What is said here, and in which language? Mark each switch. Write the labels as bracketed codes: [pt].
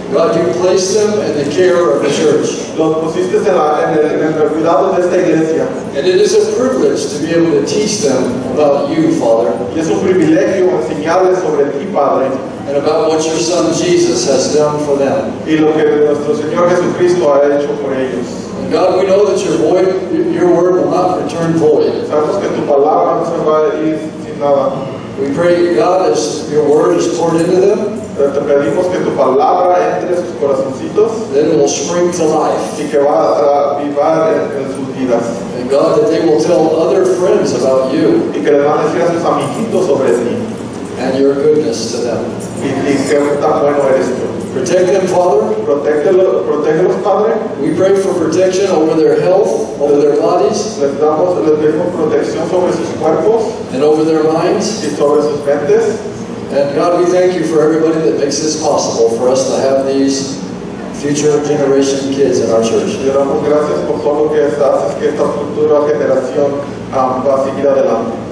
[en] God, you place them in the care of the church. [es] Los pusiste en el cuidado de esta iglesia. [en] And it is a privilege to be able to teach them about you, Father. [es] Y es un privilegio enseñarles sobre ti, Padre. [en] And about what your Son Jesus has done for them. [es] Y lo que nuestro Señor Jesucristo ha hecho por ellos. [en] God, we know that your word will not return void. [es] Sabemos que tu palabra no se va a ir sin nada. [en] We pray, God, as your word is poured into them, [es] te pedimos que tu palabra entre sus corazoncitos, [en] then it will spring to life. [es] Y que va a vivar en sus vidas. [en] And God, that they will tell other friends about you. [es] Y que les van a decir a sus amiguitos sobre ti. [en] And your goodness to them. [es] Y que tan bueno eres tú. [en] Protect them, Father. [es] Protégelos, Padre. [en] We pray for protection over their health, over their bodies. [es] Les damos protección sobre sus cuerpos. [en] And over their minds. [es] Y sobre sus mentes. [en] And God, we thank you for everybody that makes this possible for us to have these future generation kids in our church. [es] Le damos gracias por todo lo que haces que esta futura generación va a seguir adelante.